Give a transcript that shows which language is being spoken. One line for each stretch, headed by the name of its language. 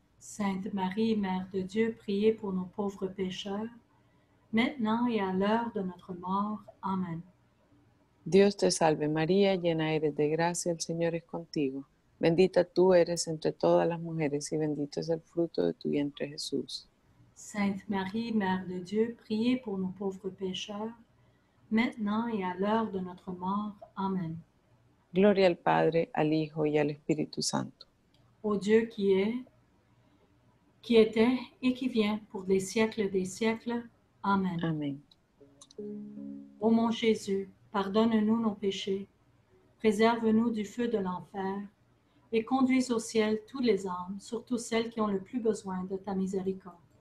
French: Sainte Marie, Mère de Dieu, priez pour nos pauvres pécheurs, maintenant et à l'heure de notre mort. Amen.
Spanish: Dios te salve, María, llena eres de gracia, el Señor es contigo. Bendita tú eres entre todas las mujeres, y bendito es el fruto de tu vientre, Jesús.
French: Sainte Marie, Mère de Dieu, priez pour nos pauvres pécheurs, maintenant et à l'heure de notre mort. Amen.
Spanish: Gloria al Padre, al Hijo y al Espíritu Santo.
French: Oh Dieu qui est, qui était et qui vient pour les siècles des siècles. Amen. Amen. Oh mon Jésus, pardonne-nous nos péchés, préserve-nous du feu de l'enfer et conduis au ciel toutes les âmes, surtout celles qui ont le plus besoin de ta miséricorde.